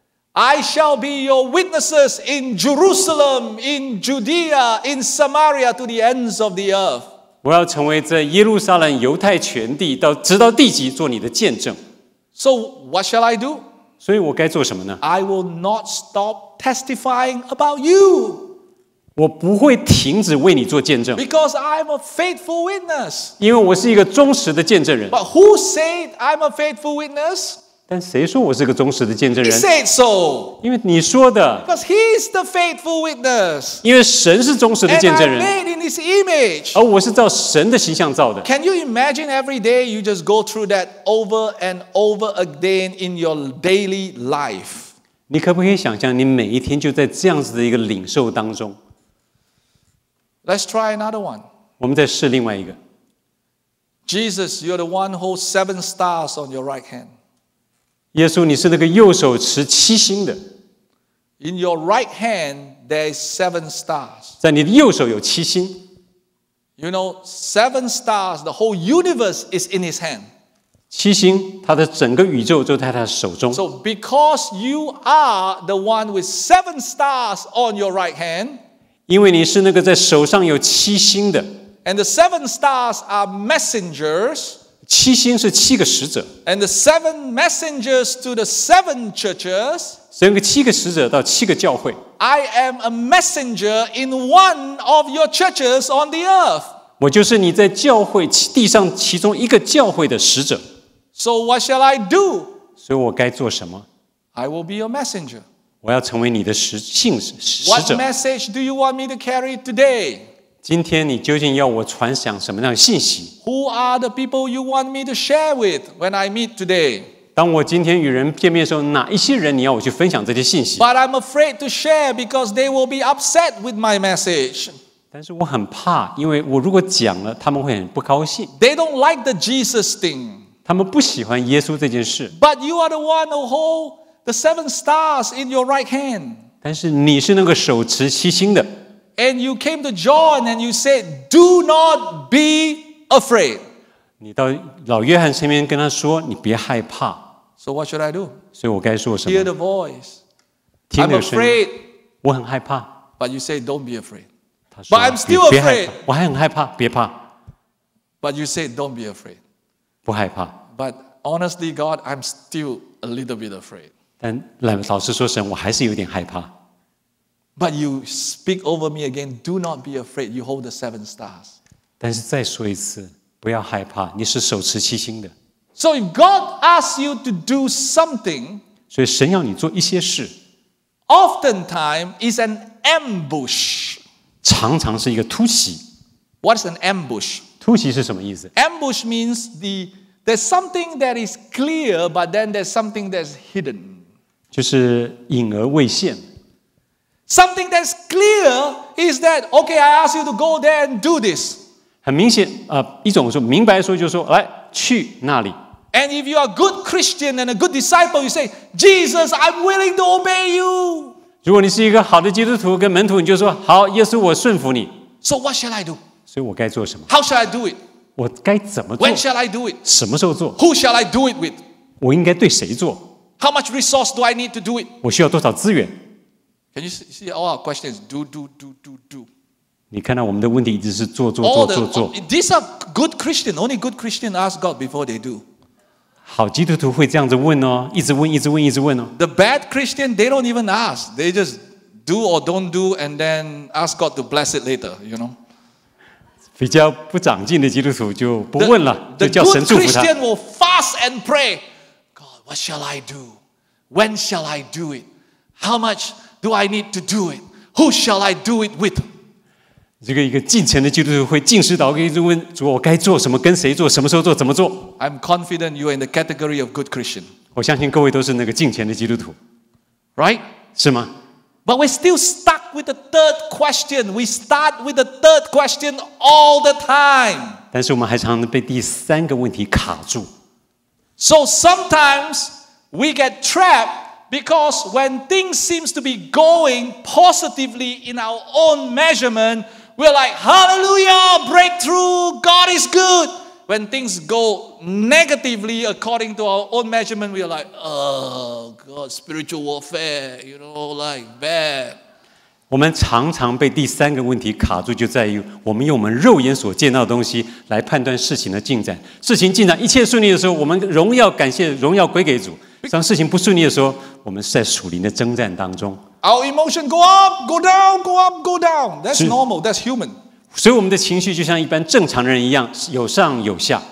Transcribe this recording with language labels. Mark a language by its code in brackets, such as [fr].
[en] I shall be your witnesses in Jerusalem, in Judea, in Samaria to the ends of the earth. [zh] 我要成为在耶路撒冷犹太全地到直到地极做你的见证。 [en] So what shall I do? [zh] 所以我该做什么呢？ [en] I will not stop testifying about you. [zh] 我不会停止为你做见证。 [en] Because I'm a faithful witness. [zh] 因为我是一个忠实的见证人。 [en] But who said I'm a faithful witness? [zh] 但谁说我是个忠实的见证人？ [en] He said so. [zh] 因为你说的。 [en] Because he's the faithful witness. [zh] 因为神是忠实的见证人。 [en] And I'm made in his image. [zh] 而我是照神的形象造的。 [en] Can you imagine every day you just go through that over and over again in your daily life? [zh] 你可不可以想象你每一天就在这样子的一个领受当中？ [en] Let's try another one. [zh] 我们再试另外一个。 [en] Jesus, you're the one who holds seven stars on your right hand. [zh] 耶稣，你是那个右手持七星的。 [en] In your right hand, there is seven stars. [zh] 在你的右手有七星。 [en] You know, seven stars, the whole universe is in his hand. [zh] 七星，他的整个宇宙就在他手中。 [en] So because you are the one with seven stars on your right hand, [zh] 因为你是那个在手上有七星的。 [en] And the seven stars are messengers. [zh] 七星是七个使者。 [en] And the seven messengers to the seven churches. [zh] 整个七个使者到七个教会。 [en] I am a messenger in one of your churches on the earth. [zh] 我就是你在教会地上其中一个教会的使者。 [en] So what shall I do? [zh] 所以我该做什么？ [en] I will be your messenger. [zh] 我要成为你的使者。 [en] What message do you want me to carry today? [zh] 今天你究竟要我传讲什么样的信息？ [en] Who are the people you want me to share with when I meet today? [zh] 当我今天与人见面的时候，哪一些人你要我去分享这些信息？ [en] But I'm afraid to share because they will be upset with my message. [zh] 但是我很怕，因为我如果讲了，他们会很不高兴。 [en] They don't like the Jesus thing. [zh] 他们不喜欢耶稣这件事。 [en] But you are the one who holds the seven stars in your right hand. [zh] 但是你是那个手持七星的。 [en] And you came to John and you said, "Do not be afraid." [zh] 你到老约翰身边跟他说，你别害怕。 [en] So what should I do? [zh] 所以我该说什么 [en] ？Hear the voice. [zh] 听那个声。 [en] I'm afraid. [zh] 我很害怕。 [en] But you say, "Don't be afraid." [zh] 他说。 [en] But I'm still afraid. [zh] 我还很害怕，别怕。 [en] But you say, "Don't be afraid." [zh] 不害怕。 [en] But honestly, God, I'm still a little bit afraid. [zh] 但老实说神，我还是有点害怕。 [en] But you speak over me again. Do not be afraid. You hold the seven stars. [zh] 但是再说一次，不要害怕，你是手持七星的。 [en] So if God asks you to do something, [zh] 所以神要你做一些事。 [en] Oftentimes is an ambush. [zh] 常常是一个突袭。 [en] What's an ambush? [zh] 突袭是什么意思 [en] ？Ambush means there's something that is clear, but then there's something that's hidden. [zh] 就是隐而未现。 [en] Something that's clear is that okay. I ask you to go there and do this. [zh] 很明显，一种说明白说就是说，来去那里。 [en] And if you are a good Christian and a good disciple, you say, Jesus, I'm willing to obey you. [zh] 如果你是一个好的基督徒跟门徒，你就说好，耶稣，我顺服你。 [en] So what shall I do? [zh] 所以我该做什么 [en] ？How shall I do it? [zh] 我该怎么做 [en] ？When shall I do it? [zh] 什么时候做 [en] ？Who shall I do it with? [zh] 我应该对谁做？ [en] How much resource do I need to do it? [zh] 我需要多少资源？ [en] Can you see all our questions? Do, do, do, do, do. [zh] 你看到我们的问题一直是做做做做做。 [en] These are good Christians. Only good Christians ask God before they do. [zh] 好基督徒会这样子问哦，一直问，一直问，一直问哦。 [en] The bad Christian, they don't even ask. They just do or don't do, and then ask God to bless it later. You know. [zh] 比较不长进的基督徒就不问了，就叫神祝福他。 [en] The good Christian will fast and pray. What shall I do? When shall I do it? How much do I need to do it? Who shall I do it with? [zh] 这个一个进城的基督徒会进食祷告，一直问主：我该做什么？跟谁做？什么时候做？怎么做 [en] ？I'm confident you are in the category of good Christian. [zh] 我相信各位都是那个进城的基督徒 [en] ，right? [zh] 是吗 [en] ？But we're still stuck with the third question. We start with the third question all the time. [zh] 但是我们还常常被第三个问题卡住。 [en] So sometimes we get trapped Because when things seems to be going positively in our own measurement, we're like, hallelujah, breakthrough, God is good. When things go negatively according to our own measurement, we're like, oh, God, spiritual warfare, you know, like bad. [zh] 我们常常被第三个问题卡住，就在于我们用我们肉眼所见到的东西来判断事情的进展。事情进展一切顺利的时候，我们荣耀感谢荣耀归给主；当事情不顺利的时候，我们是在属灵的征战当中。 [en] Our emotion go up, go down, go up, go down. That's normal. That's human. [zh] 所以我们的情绪就像一般正常人一样，有上有下。